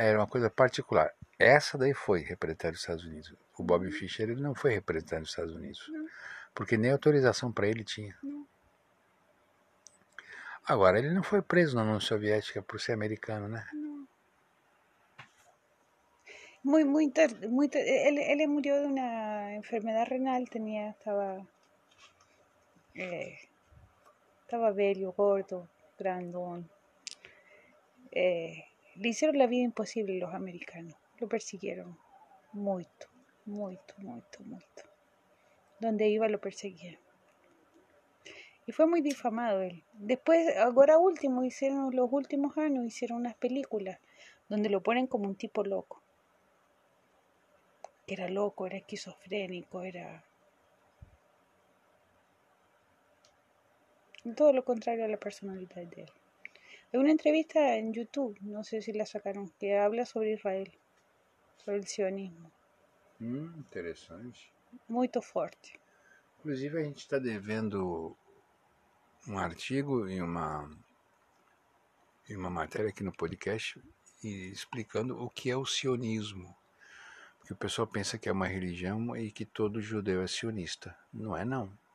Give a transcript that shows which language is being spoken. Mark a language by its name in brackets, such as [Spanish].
[Portuguese] Era uma coisa particular. Essa daí foi representar os Estados Unidos. O Bobby Fischer ele não foi representando os Estados Unidos. Não. Porque nem autorização para ele tinha. Não. Agora, ele não foi preso na União Soviética por ser americano, né? Não. [Spanish] Ele murió de una enfermedad renal, estaba velho, gordo, grandón. Le hicieron la vida imposible los americanos, lo persiguieron mucho, mucho, mucho, mucho. Donde iba lo perseguían. Y fue muy difamado él. Después, ahora último, hicieron los últimos años, hicieron unas películas donde lo ponen como un tipo loco. Que era loco, era esquizofrénico, era todo lo contrario a la personalidad de él. Hay una entrevista en YouTube, no sé si la sacaron, que habla sobre Israel, sobre el sionismo. Interesante. Muy fuerte. [Portuguese] Inclusive a gente está devendo un artigo y una matéria aqui no podcast explicando o que é o sionismo. Que o pessoal pensa que é uma religião e que todo judeu é sionista. Não é, não.